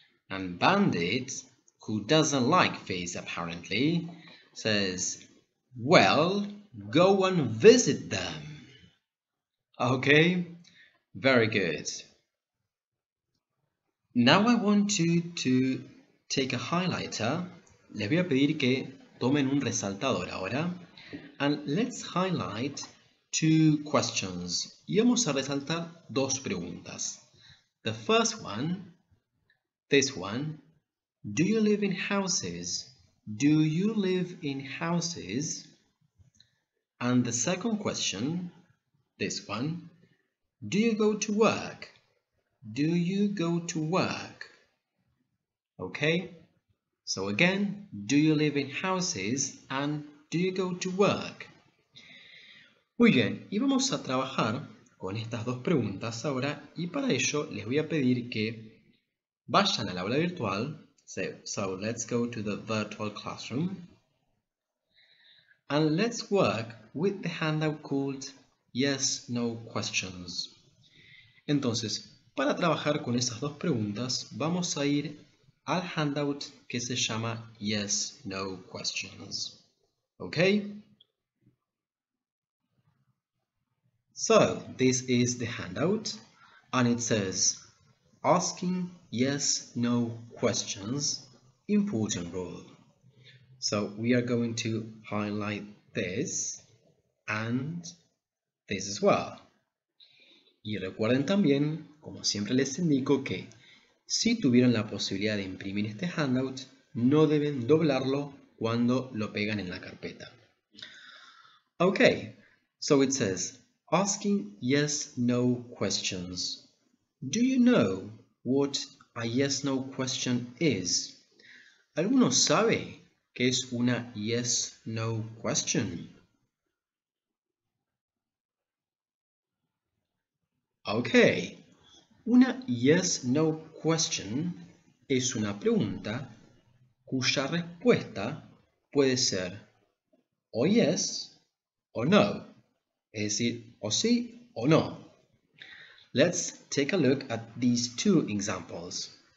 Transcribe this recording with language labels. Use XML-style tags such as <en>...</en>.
<en>And Bandit, who doesn't like Fizz apparently, says, well, go and visit them. Okay, very good. Now I want you to take a highlighter.</en> <es>Les voy a pedir que tomen un resaltador ahora.</es> <en>And let's highlight two questions.</en> <es>Y vamos a resaltar dos preguntas.</es> <en>The first one, this one. Do you live in houses? Do you live in houses? And the second question, this one. Do you go to work? Do you go to work? Okay, so again, do you live in houses and do you go to work?</en> <es>Muy bien, y vamos a trabajar con estas dos preguntas ahora y para ello les voy a pedir que vayan al aula virtual.</es> <en>So let's go to the virtual classroom. And let's work with the handout called Yes, No Questions.</en> <es>Entonces, para trabajar con esas dos preguntas, vamos a ir</es> <en>I'll hand out kese shama yes, no questions. Okay? So, this is the handout, and it says, asking yes, no questions, important role. So, we are going to highlight this and this as well.</en> <es>Y recuerden también, como siempre les indico, que si tuvieron la posibilidad de imprimir este handout, no deben doblarlo cuando lo pegan en la carpeta.</es> <en>Okay, so it says, asking yes, no questions. Do you know what a yes, no question is?</en> <es>¿Alguno sabe qué es una yes, no question? Okay, una yes-no question es una pregunta cuya respuesta puede ser o yes o no, es decir, o sí o no.</es> <en>Let's take a look at these two examples.</en>